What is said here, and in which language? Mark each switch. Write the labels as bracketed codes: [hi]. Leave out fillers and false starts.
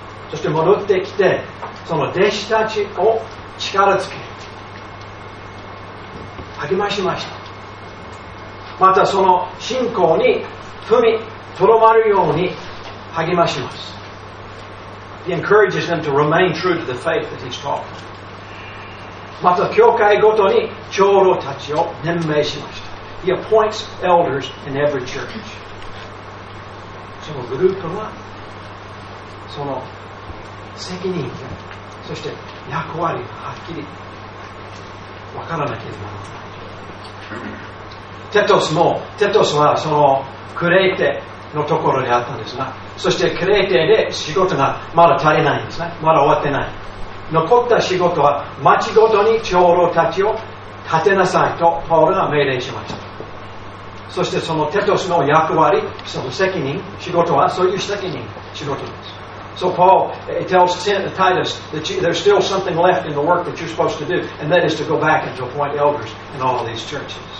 [ja] そして戻ってきてその弟子たちを力つけ励ましました。またその信仰に踏みとどまるように励まします。 [en] He encourages them to remain true to the faith that he's taught. [ja] また教会ごとに長老たちを任命しました。 [en] He appoints elders in every church. [ja] そのグループはその責任や、そして役割がはっきり分からなければならない。テトスはそのクレーテのところであったんですが、そしてクレーテで仕事がまだ足りないんですね。まだ終わってない。残った仕事は町ごとに長老たちを立てなさいとパウロが命令しました。そしてそのテトスの役割、その責任、仕事はそういう責任仕事です。 [en] So Paul tells Titus that there's still something left in the work that you're supposed to do, and that is to go back and to appoint elders in all of these churches.